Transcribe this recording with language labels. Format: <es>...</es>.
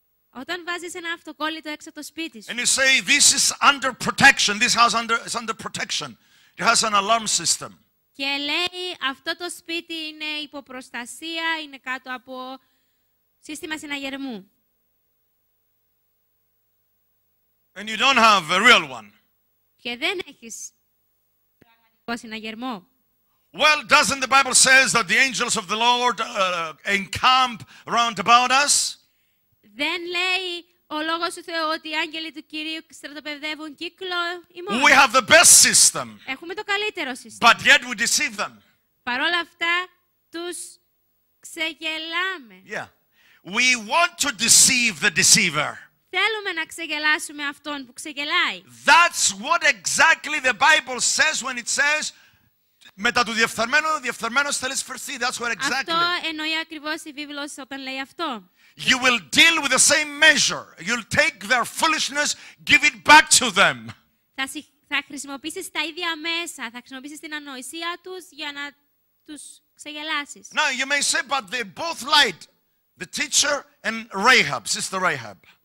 <el>όταν βάζεις ένα αυτοκόλλητο έξω από το σπίτι σου,</el> <en>and you say this is under protection, this house is under protection, it has an alarm system.</en> <el>Και λέει, αυτό το σπίτι είναι υπό προστασία, είναι κάτω από σύστημα συναγερμού.</el> <en>And you don't have a real one.</en> <el>Και δεν έχεις πραγματικό συναγερμό.</el> <en>Well, doesn't the Bible says that the angels of the Lord encamp round about us?</en> <el>Δεν λέει ο Λόγος του Θεού ότι οι άγγελοι του Κυρίου στρατοπεδεύουν κύκλο ημών.</el> <en>We have the best system.</en> <el>Έχουμε το καλύτερο σύστημα.</el> <en>But yet we deceive them.</en> <el>Παρ' όλα αυτά, τους ξεγελάμε.</el> <en>Yeah. We want to deceive the deceiver.</en> <el>Θέλουμε να ξεγελάσουμε αυτόν που ξεγελάει.</el> <en>That's what exactly the Bible says when it says</en> <el>μετά του διεφθαρμένου, ο διεφθαρμένος θέλει σφερθεί.</el> <en>That's what exactly.</en> <el>Αυτό εννοεί ακριβώς η Βίβλος όταν λέει αυτό.</el> <en>You will deal with the same measure. You'll take their foolishness, give it back to them.</en> <el>Θα χρησιμοποιήσεις τα ίδια μέσα. Θα χρησιμοποιήσεις την ανοησία τους για να τους ξεγελάσεις.</el> <en>Now you may say, but they both lied, the teacher and Rahab, sister Rahab.</en>